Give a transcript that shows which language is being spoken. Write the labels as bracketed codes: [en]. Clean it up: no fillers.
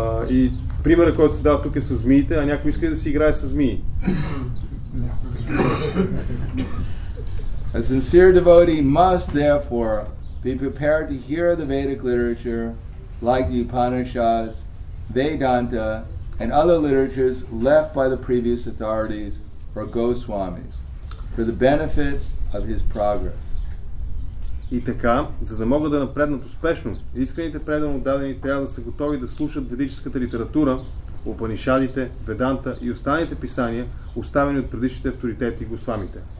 [bg] И примерът, който се дава тук е с змиите, а някой иска да си играе с змии. [en] A sincere devotee must therefore be prepared to hear the Vedic literature like the Upanishads, Vedanta and other literatures left by the previous authorities or Goswamis for the benefit of his progress. [bg] И така, за да могат да напреднат успешно, искрените предано дадени трябва да са готови да слушат ведическата литература, Упанишадите, Веданта и останалите писания, оставени от предишните авторитети и госвамите.